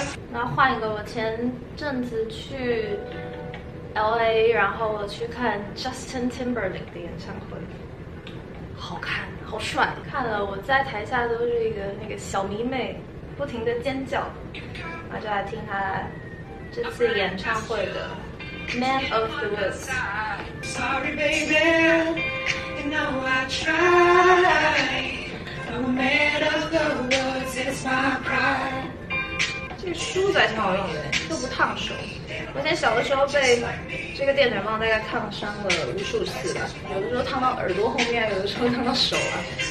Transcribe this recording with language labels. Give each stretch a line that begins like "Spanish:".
Chinese: 那换一个，我前阵子去 LA， 然后我去看 Justin Timberlake 的演唱会。好看，好帅！看了我在台下都是一个那个小迷妹，不停的尖叫。我就来听他这次演唱会的《Man of the Woods》。
English: Sorry, baby, you know I tried. A man of the woods is my pride.
Chinese: 这个梳子还挺好用的，又不烫手。我以前小的时候被这个电暖棒大概烫伤了无数次吧，有的时候烫到耳朵后面，有的时候烫到手啊。